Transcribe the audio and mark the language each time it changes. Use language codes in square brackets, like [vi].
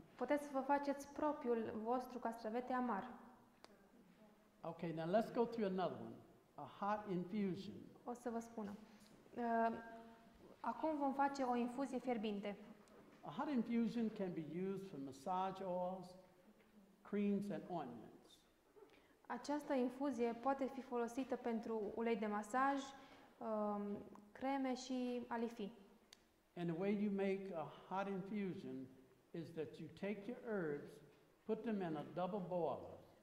[ro] Puteți să vă faceți propriul vostru castravete amar. [en] Okay, now let's go through another one. A hot infusion. [ro] O să vă spun. Acum vom face o infuzie fierbinte. [en] A hot infusion can be used for massage oils, creams and ointments. [ro] Această infuzie poate fi folosită pentru ulei de masaj, creme și alifii. [en] And the way you make a hot infusion is that you take your herbs, put them in a double boiler.